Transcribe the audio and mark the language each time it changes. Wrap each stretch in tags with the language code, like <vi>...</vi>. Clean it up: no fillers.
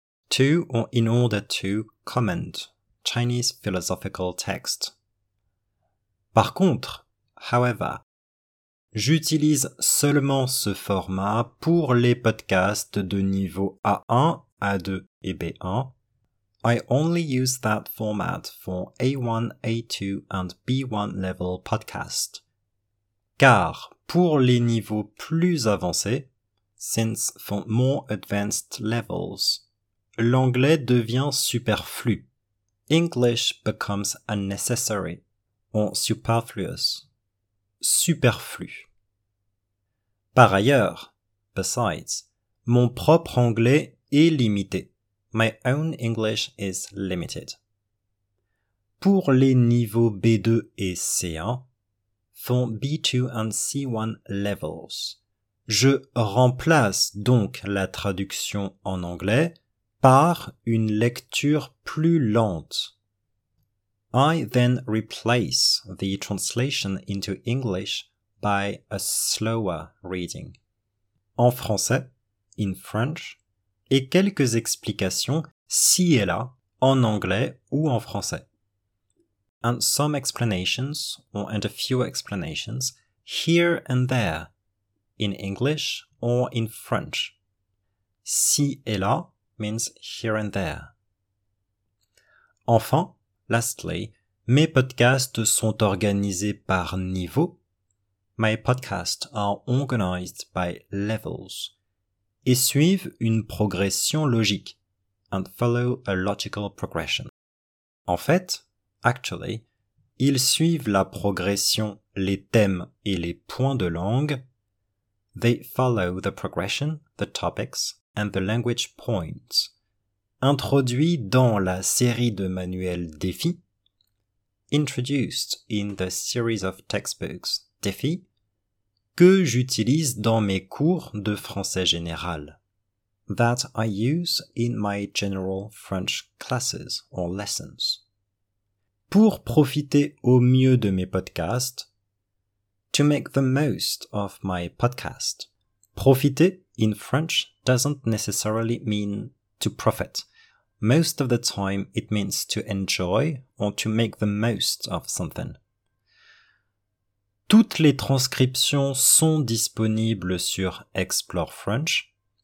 <en>To or in order to comment Chinese philosophical texts.</en> <fr>Par contre,</fr> <en>however,</en> <fr>j'utilise seulement ce format pour les podcasts de niveau A1, A2 et B1.</fr> <en>I only use that format for A1, A2 and B1 level podcasts.</en> <fr>Car pour les niveaux plus avancés,</fr> <en>since for more advanced levels,</en> <fr>l'anglais devient superflu.</fr> <en>English becomes unnecessary. ont superfluous, superflu.</en> <fr>Par ailleurs,</fr> <en>besides,</en> <fr>mon propre anglais est limité.</fr> <en>My own English is limited.</en> <fr>Pour les niveaux B2 et C1,</fr> <en>font B2 and C1 levels.</en> <fr>Je remplace donc la traduction en anglais par une lecture plus lente.</fr> <en>I then replace the translation into English by a slower reading.</en> <fr>En français,</fr> <en>in French,</en> <fr>et quelques explications ci et là en anglais ou en français.</fr> <en>And some explanations, or and a few explanations, here and there, in English or in French.</en> <fr>Ci et là</fr> <en>means here and there.</en> <fr>Enfin,</fr> <en>lastly,</en> <fr>mes podcasts sont organisés par niveau.</fr> <en>My podcasts are organized by levels.</en> <fr>Et suivent une progression logique.</fr> <en>And follow a logical progression.</en> <fr>En fait,</fr> <en>actually,</en> <fr>ils suivent la progression, les thèmes et les points de langue.</fr> <en>They follow the progression, the topics, and the language points.</en> <fr>Introduit dans la série de manuels Défi.</fr> <en>Introduced in the series of textbooks Défi.</en> <fr>Que j'utilise dans mes cours de français général.</fr> <en>That I use in my general French classes or lessons.</en> <fr>Pour profiter au mieux de mes podcasts,</fr> <en>to make the most of my podcast. Profiter in French doesn't necessarily mean to profit. Most of the time it means to enjoy or to make the most of something.</en> <fr>Toutes les transcriptions sont disponibles sur Explore French.</fr>